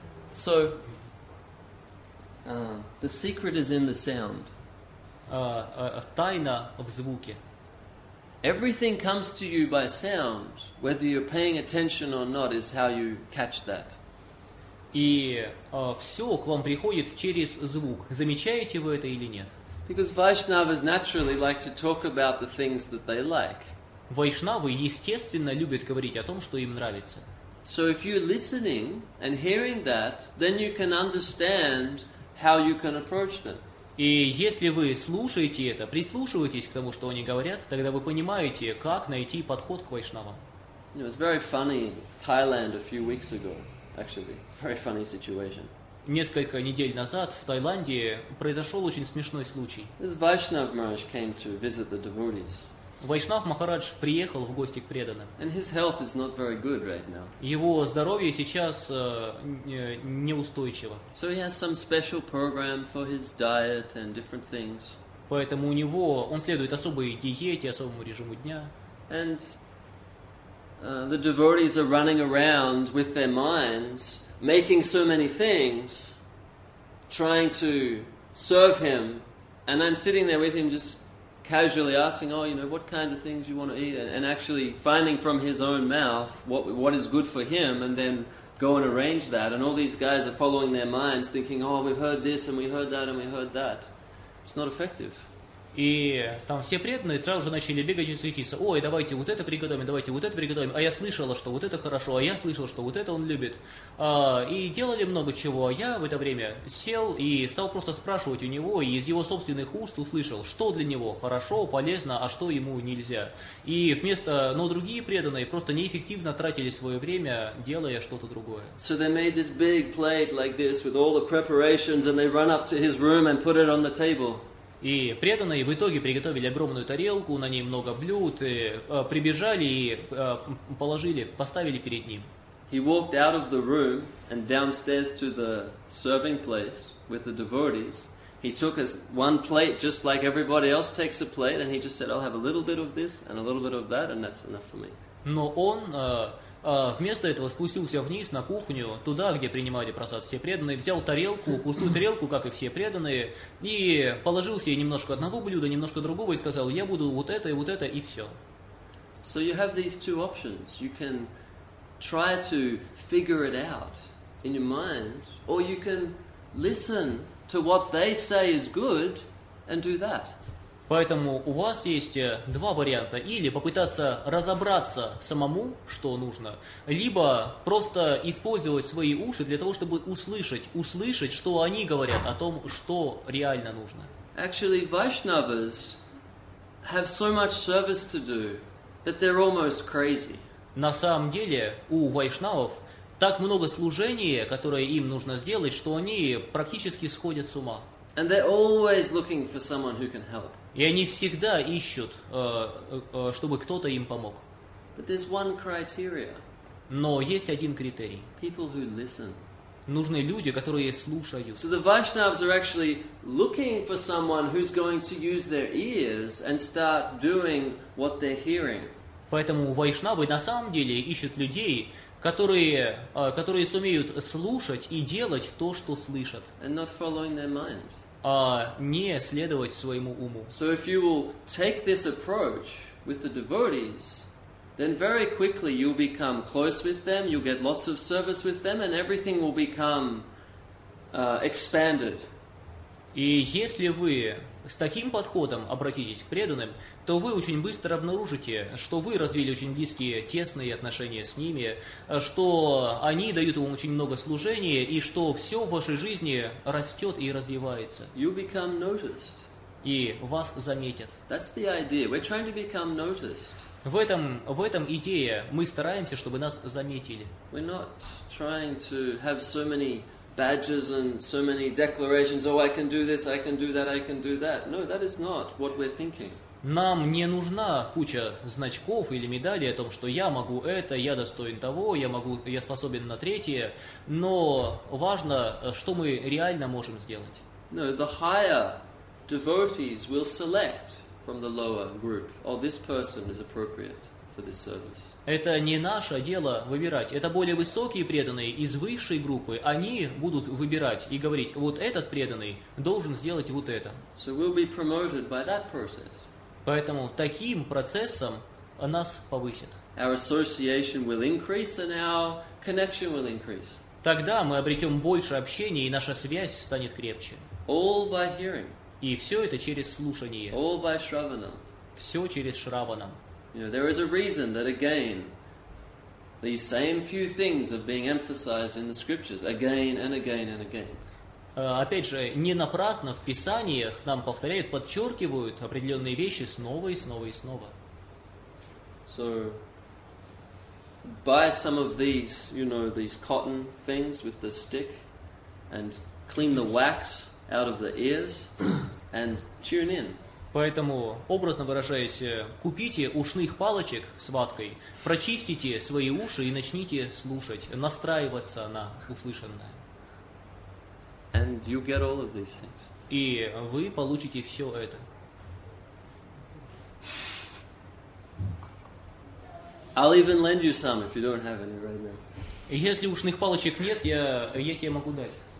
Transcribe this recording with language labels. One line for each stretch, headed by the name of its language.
English: So, the secret is in the sound.
Russian: Тайна в звуке.
English: Everything comes to you by sound, whether you're paying attention or not, is how you catch that.
Russian: И все к вам приходит через звук. Замечаете вы это или нет?
English: Because Vaishnavas naturally like to talk about the things that they like.
Russian: Вайшнавы естественно любят говорить о том, что им нравится.
English: So if you're listening and hearing that, then you can understand how you can approach them.
Russian: И если вы слушаете это, прислушиваетесь к тому, что они говорят, тогда вы понимаете, как найти подход к вайшнавам.
English: You know, it was very funny in Thailand a few weeks ago, actually. Very funny situation.
Russian: Несколько недель назад в Таиланде произошел очень смешной случай.
English: This Vaishnav Maharaj came to visit the devotees.
Russian: Vaishnav Maharaj приехал в гости к преданным.
English: And his health is not very good right now.
Russian: Его здоровье сейчас неустойчиво.
English: So he has some special program for his diet and different things.
Russian: Поэтому у него он следует особой диете, особому режиму дня.
English: And the devotees are running around with their minds. Making so many things, trying to serve him, and I'm sitting there with him just casually asking, oh, you know, what kind of things you want to eat, and actually finding from his own mouth what is good for him, and then go and arrange that, and all these guys are following their minds, thinking, oh, we've heard this, and we heard that, and we heard that. It's not effective.
Russian: И там все преданные сразу же начали бегать и суетиться. Ой, давайте вот это приготовим, давайте вот это приготовим. А я слышала, что вот это хорошо, а я слышал, что вот это он любит. И делали много чего. А я в это время сел и стал просто спрашивать у него, и из его собственных уст услышал, что для него хорошо, полезно, а что ему нельзя. И вместо... Но другие преданные просто неэффективно тратили свое время, делая что-то другое.
English: So they made this big plate like this with all the preparations and they run up to his room and put it on the table.
Russian: И преданные в итоге приготовили огромную тарелку, на ней много блюд, и, прибежали и положили, поставили перед ним.
English: He walked out of the room and downstairs to the serving place with the devotees. He took one plate just like everybody else takes a plate and he just said, I'll have a little bit of this and a little bit of that and that's enough for me.
Russian: Но он вместо этого спустился вниз на кухню, туда, где принимали просад все преданные, взял тарелку, пустую тарелку, как и все преданные, и положил себе немножко одного блюда, немножко другого, и сказал, я буду вот это, и все.
English: So you have these two options. You can try to figure it out in your mind, or you can listen to what they say is good and do that.
Russian: Поэтому у вас есть два варианта. Или попытаться разобраться самому, что нужно, либо просто использовать свои уши для того, чтобы услышать, что они говорят о том, что реально нужно.
English: Actually, Vaishnavas have so much service to do that they're almost crazy.
Russian: На самом деле, у вайшнавов так много служения, которое им нужно сделать, что они практически сходят с ума.
English: And they're always looking for someone who can help.
Russian: И они всегда ищут, чтобы кто-то им помог.
English: But there's one criteria.
Russian: Но есть один критерий.
English: People who listen.
Russian: Нужны люди, которые слушают.
English: So the Vaishnavas are actually looking for someone who's going to use their ears and start doing what they're hearing.
Russian: Поэтому вайшнавы на самом деле ищут людей, которые сумеют слушать и делать то, что слышат.
English: And not following their minds.
Russian: А не следовать своему уму.
English: So if you will take this approach with the devotees, then very quickly you'll become close with them, you'll get lots of service with them, and everything will become expanded.
Russian: И если вы с таким подходом обратитесь к преданным, то вы очень быстро обнаружите, что вы развили очень близкие, тесные отношения с ними, что они дают вам очень много служения, и что все в вашей жизни растет и развивается.
English: You become noticed.
Russian: И вас заметят.
English: That's the idea. We're trying to become noticed.
Russian: В этом идея. Мы стараемся, чтобы нас заметили.
English: We're not trying to have so many badges and so many declarations, oh, I can do this, I can do that, I can do that. No, that is not what we're thinking.
Russian: Нам не нужна куча значков или медалей о том, что я могу это, я достоин того, я способен на третье, но важно, что мы реально можем сделать.
English: No, the higher devotees will select from the lower group, oh, this person is appropriate for this service.
Russian: Это не наше дело выбирать. Это более высокие преданные из высшей группы. Они будут выбирать и говорить, вот этот преданный должен сделать вот это.
English: So we'll be promoted by that process.
Russian: Поэтому таким процессом нас повысят.
English: Our association will increase and our connection will increase.
Russian: Тогда мы обретем больше общения и наша связь станет крепче.
English: All by hearing.
Russian: И все это через слушание.
English: All by shravanam.
Russian: Все через шраванам.
English: You know, there is a reason that again, these same few things are being emphasized in the scriptures again and again and again.
Russian: Опять же, не напрасно в писаниях нам повторяют, подчеркивают определенные вещи снова и снова и снова.
English: So, buy some of these, you know, these cotton things with the stick, and clean the wax out of the ears, and tune in.
Russian: Поэтому, образно выражаясь, купите ушных палочек с ваткой, прочистите свои уши и начните слушать, настраиваться на услышанное.
English: And you get all of these things.
Russian: И вы получите все это.
English: I'll even lend you some if you don't have any right now.
Russian: Если ушных палочек нет, я тебе могу дать.